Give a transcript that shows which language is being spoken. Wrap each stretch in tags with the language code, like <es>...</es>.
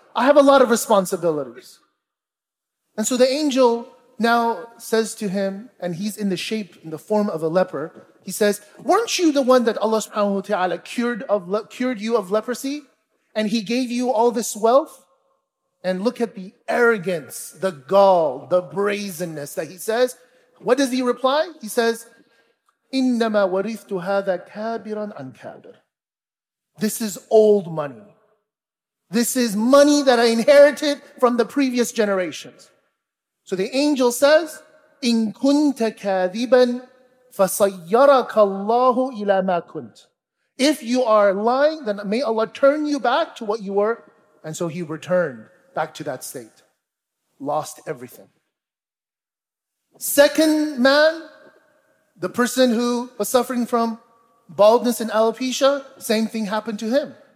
<en>I have a lot of responsibilities. And so the angel now says to him, and he's in the shape, in the form of a leper. He says, weren't you the one that Allah subhanahu wa ta'ala cured you of leprosy? And he gave you all this wealth? And look at the arrogance, the gall, the brazenness that he says. What does he reply? He says,</en> <ar>إِنَّمَا وَرِثْتُ هَذَا كَابِرًا عَنْ كَابِرًا.</ar> <en>This is old money. This is money that I inherited from the previous generations. So the angel says,</en> <ar>إِن كُنْتَ كَاذِبًا فَصَيَّرَكَ اللَّهُ إِلَىٰ مَا كُنْتَ.</ar> <en>If you are lying, then may Allah turn you back to what you were. And so he returned back to that state. Lost everything. Second man, the person who was suffering from baldness and alopecia, same thing happened to him.</en>